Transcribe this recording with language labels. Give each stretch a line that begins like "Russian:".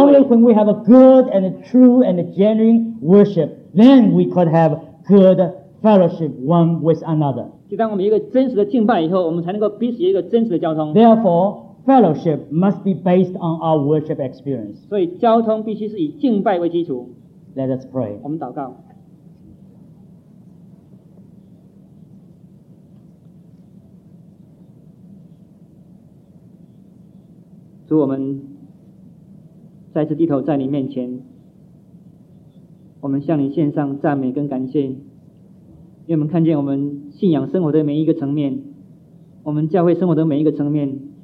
English: Only when we have a good and a true and a genuine worship, then we could have good fellowship one with another.
Chinese: 就当我们有一个真实的敬拜以后，我们才能够彼此有一个真实的交通。
English: Therefore. Fellowship must be based on our worship experience.
Chinese: 所以交通必须是以敬拜为基础。
English: Let us pray.
Chinese: 我们祷告。主，我们再次低头在你面前，我们向你献上赞美跟感谢，因为我们看见我们信仰生活的每一个层面，我们教会生活的每一个层面。